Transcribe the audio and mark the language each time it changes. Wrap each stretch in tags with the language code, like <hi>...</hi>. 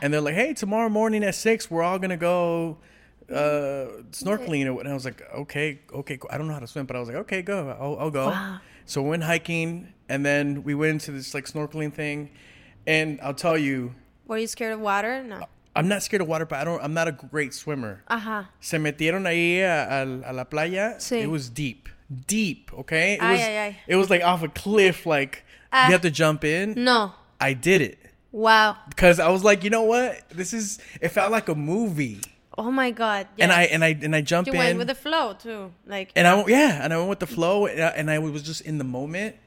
<en>And they're like, hey, tomorrow morning at 6, we're all gonna go snorkeling, and I was like, okay, cool. I don't know how to swim, but I was like, okay, go, I'll go. Wow. So we went hiking, and then we went into this, like, snorkeling thing, and I'll tell you... Were you scared of water? No. I'm not scared of water, but I'm not a great swimmer. Uh-huh.</en> <es>Se metieron ahí a la playa. Sí.</es> <en>It was deep. Deep, okay? Ay. It was like off a cliff, like you have to jump in. No. I did it. Wow. Because I was like, you know what? It felt like a movie. Oh my God. Yes. And I jumped in. You went with the flow too. Like. And I went with the flow and I was just in the moment.</en>